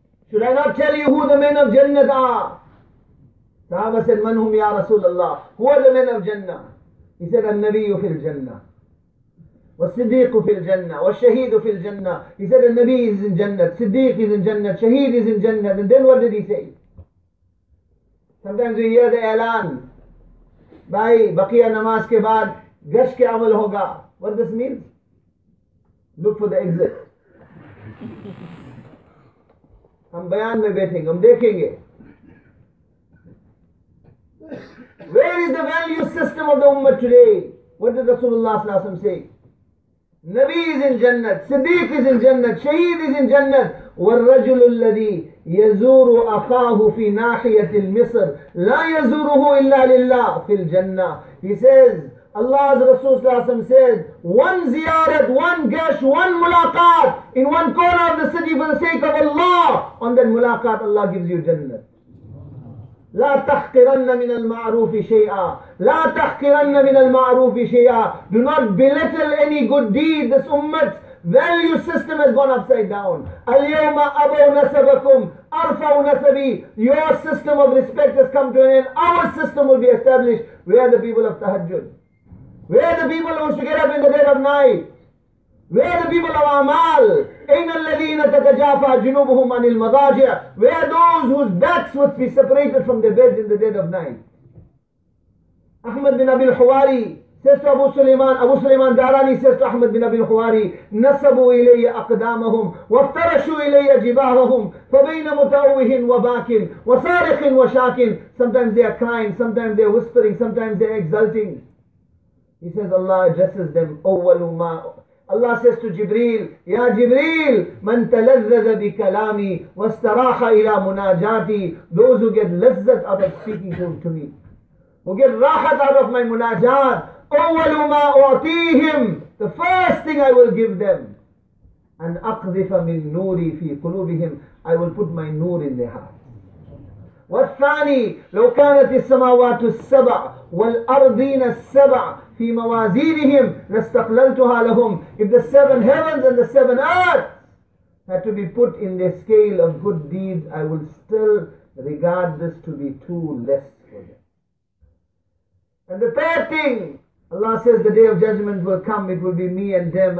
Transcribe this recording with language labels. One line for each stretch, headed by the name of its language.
English: Should I not tell you who the men of Jannah are? Sahaba said,
Arabic: man hum ya Rasulullah?
English: Who are the men of Jannah? He said,
Arabic: al-Nabiyu fi al-Jannah. والصديق في الجنة والشهيد في الجنة.
English: He said the Nabi is in Jannah, Siddiq is in Jannah, Shaheed is in Jannah. And then what did he say? Sometimes we hear the اعلان,
Urdu: bhai baqiya namaz ke baad gash ke amal hoga.
English: What does this mean? Look for the exit.
Urdu: Hum bayan mein baithenge, hum dekhenge.
English: Where is the value system of the ummah today? What did Rasulullah sallallahu alaihi wasallam say? Nabi is in Jannah, Siddiq is in Jannah, Shaheed is in Jannah.
Arabic: والرجل الذي يزور أخاه في ناحية المصر لا يزوره إلا لله في الجنة.
English: He says, Allah's Rasul Sallallahu Alaihi Wasallam says, one ziyarat, one gash, one mulaqat in one corner of the city for the sake of Allah. On that mulaqat, Allah gives you Jannah.
Arabic: لا تحقرن من المعروف شيئا لا تحقرن من المعروف شيئا.
English: Do not belittle any good deed. This ummah's value system has gone upside down.
Arabic: اليوم أبو نسبكم أرفع نسبي.
English: Your system of respect has come to an end. Our system will be established. We are the people of tahajjud. We are the people who should get up in the dead of night. Where are the people of Amal?
Arabic: أين الذين تتجافى جنوبهم عن المضاجع?
English: Where are those whose backs would be separated from their beds in the dead of night?
Arabic: Ahmad bin Abi al-Huwari
English: says to Abu Sulaiman Darani says to
Arabic: Ahmad bin Abi al-Huwari, نسبوا إلي أقدامهم وافترشوا إلي جباههم فبين متوه وباك وصارخ وشاك.
English: Sometimes they are crying, sometimes they are whispering, sometimes they are exulting. He says Allah addresses them,
Arabic: أول ما
English: Allah says to Jibreel,
Arabic: Ya Jibreel, man talazzaza bi kalami wastaraha ila munajati.
English: Those who get lazzat out of speaking to me, who get rahat out of my munajat,
Arabic: awwalu ma u'tihim,
English: the first thing I will give them,
Arabic: an aqdhifa min nuri fi qulubihim,
English: I will put my noor in their heart.
Arabic: والثاني لو كانت السماوات السبع والأرضين السبع في موازينهم لاستقللتها لهم.
English: If the seven heavens and the seven earth had to be put in their scale of good deeds, I would still regard this to be too less for them. And the third thing, Allah says the day of judgment will come, it will be me and them.